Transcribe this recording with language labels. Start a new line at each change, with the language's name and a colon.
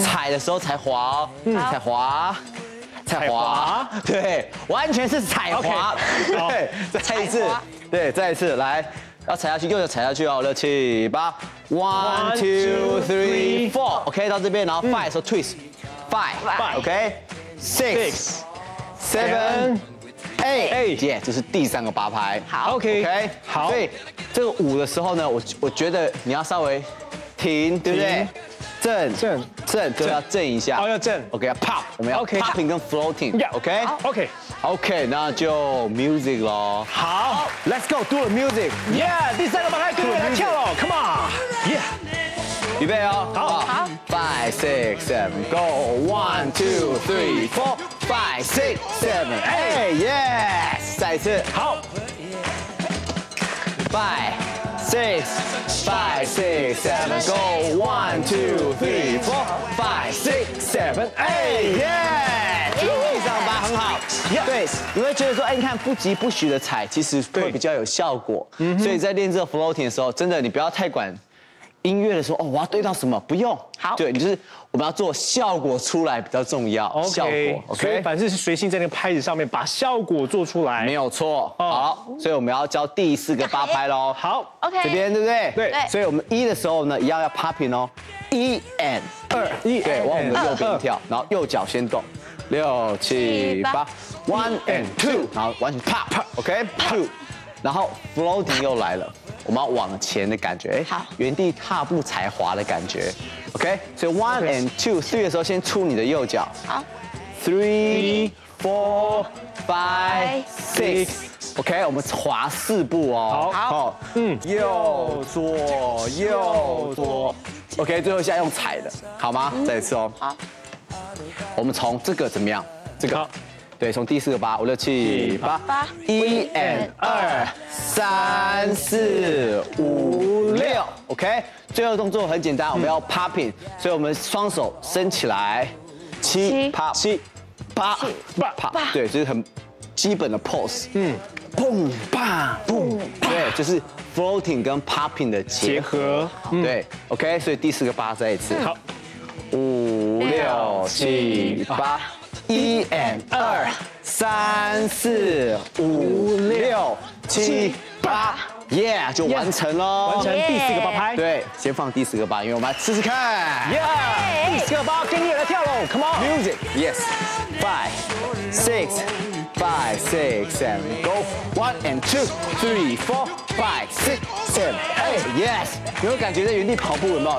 Chinese: 踩的时候才滑，嗯，踩滑，踩滑，对，完全是踩滑， okay, 对，再踩一次，对，再一次，来，要踩下去，右脚踩下去哦，六七八 ， one two three four，OK，、 okay, 到这边，然后 five 的时候 twist。
English: Five, OK, six, seven, eight, yeah, 这是第三个八拍。
Chinese: 好， OK, 好。所以这个五的时候呢，我觉得你要稍微停，对不对？正正正，就要正一下。哦，要正。 OK, 要 pop, 我们要 popping 跟 floating, OK,
English: OK,
Chinese: OK, 那就 music 咯。好
English: ，Let's go do the music,
Chinese: yeah, 第三个八拍，各位来跳喽 ， Come on, yeah. 预备哦，好，好
English: ，five six seven go one two three four five six seven eight yes，再一次，
Chinese: 好
English: ，five six seven go one two three four five six seven eight yes，一路上八很好。 Yeah.
Chinese: 对，你会觉得说，哎，你看不急不徐的踩，其实会比较有效果。所以在练这个 floating 的时候，真的你不要太管。音乐的时候，哦，我要对到什么？不用，好，对，就是我们要做效果出来比较重要，
English: okay,
Chinese: 效果， OK，所以反正是随性在那个拍子上面把效果做出来，没有错，哦，好，所以我们要教第四个八拍喽，好
English: ，OK，
Chinese: 这边对不对？对，所以我们一的时候呢，一样要 popping 哦，一 and 二，一，对，往我们的右边跳，然后右脚先动，六七八 ， one and two，然后完全 pop， OK，two，、 okay, 然后 floating 又来了。我们要往前的感觉，好，原地踏步踩滑的感觉 ， OK，所以 one、 okay. and two three 的时候先触你的右脚，好
English: ，three four five six，OK，、okay, 我们滑四步哦，
Chinese: 好，好，嗯，右左右左 ， OK，最后一下用踩的，好吗？再一次哦，好，我们从这个怎么样？这个。对，从第四个八，五六七八，一 and 二三四五六 ， OK。最后动作很简单，我们要 popping， 所以我们双手伸起来，七
English: pop，
Chinese: 七八八 pop，对，就是很基本的 pose。嗯，砰砰砰，对，就是 floating 跟 popping 的结合。对 ， OK。所以第四个八再一次，好，五六七八。一 and 二三四五六七八。耶、 yeah, ，就完成喽！完成第四个八拍。对，先放第四个八，因为我们来试试看。耶、 yeah, ，第四个八，跟你来跳喽 ！ Come on，
English: music， yes， five， six， five， six， seven， go， one and two， three， four， five， six， seven， eight， yes，有没有感觉在原地跑步？有没有？